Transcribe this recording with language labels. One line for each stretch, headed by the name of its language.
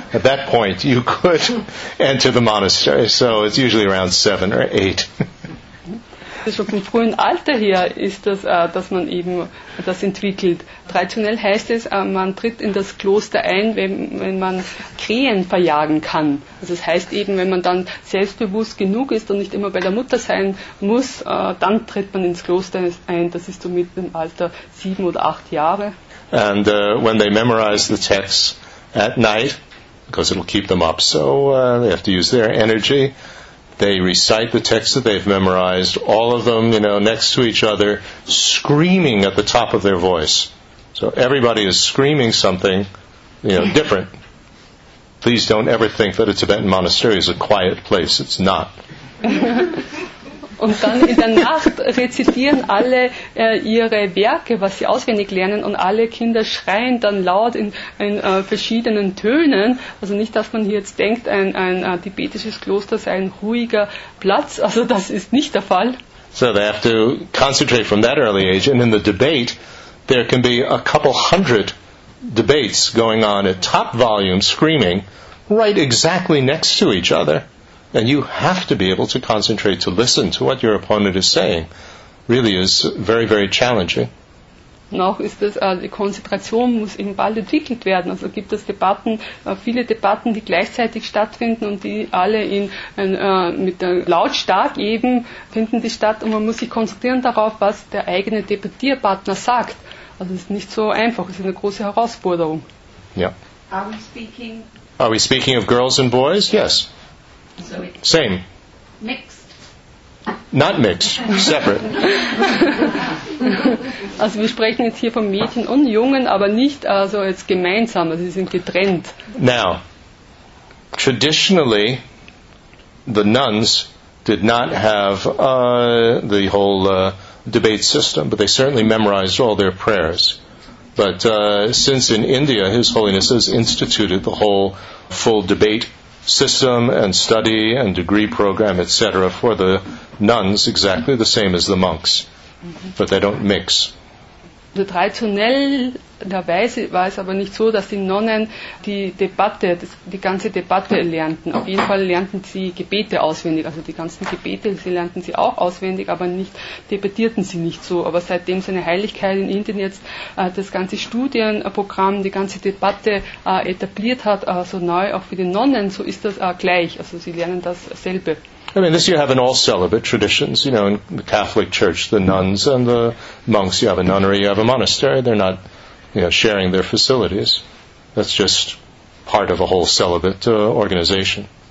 English: At that point, you could enter the monastery. So it's usually around 7 or 8.
German: Schon vom frühen Alter her ist das, dass man eben das entwickelt. Traditionell heißt es, man tritt in das Kloster ein, wenn man Krähen verjagen kann. Also das heißt eben, wenn man dann selbstbewusst genug ist und nicht immer bei der Mutter sein muss, dann tritt man ins Kloster ein. Das ist so mit dem Alter 7 oder 8 Jahre.
English: And when they memorize the texts at night, because it'll keep them up, so they have to use their energy. They recite the texts that they've memorized, all of them, you know, next to each other, screaming at the top of their voice. So everybody is screaming something, you know, different. Please don't ever think that a Tibetan monastery is a quiet place. It's not.
German: Und dann in der Nacht rezitieren alle ihre Werke, was sie auswendig lernen, und alle Kinder schreien dann laut in verschiedenen Tönen. Also nicht, dass man hier jetzt denkt, ein tibetisches Kloster sei ein ruhiger Platz. Also das ist nicht der Fall.
English: So they have to concentrate from that early age. And in the debate, there can be a couple hundred debates going on at top volume, screaming, right exactly next to each other. And you have to be able to concentrate to listen to what your opponent is saying. Really is very, very challenging.
German: Noch ist das, die Konzentration muss eben bald entwickelt werden. Also gibt es Debatten, viele Debatten, die gleichzeitig stattfinden und die alle mit der lautstark eben finden die statt. Und man muss sich konzentrieren darauf, was der eigene Debattierpartner sagt. Also es ist nicht so einfach, es ist eine große Herausforderung.
English: Yeah. Are we speaking of girls and boys? Yes. So same. Mixed. Not mixed. Separate.
German: Also wir sprechen jetzt hier von Mädchen und Jungen, aber nicht also jetzt gemeinsam. Also sie sind getrennt.
English: Now, traditionally, the nuns did not have the whole debate system, but they certainly memorized all their prayers. But since in India, His Holiness has instituted the whole full debate system and study and degree program, etc., for the nuns, exactly the same as the monks, but they don't mix.
German: Traditionellerweise war es aber nicht so, dass die Nonnen die ganze Debatte lernten. Auf jeden Fall lernten sie Gebete auswendig, also die ganzen Gebete, sie lernten sie auch auswendig, aber nicht debattierten sie nicht so. Aber seitdem seine Heiligkeit in Indien jetzt das ganze Studienprogramm, die ganze Debatte etabliert hat, so neu auch für die Nonnen, so ist das gleich. Also sie lernen dasselbe.
English: I mean, this you have in all celibate traditions, you know, in the Catholic Church, the nuns and the monks, you have a nunnery, you have a monastery, they're not, you know, sharing their facilities. That's just part of a whole celibate organization.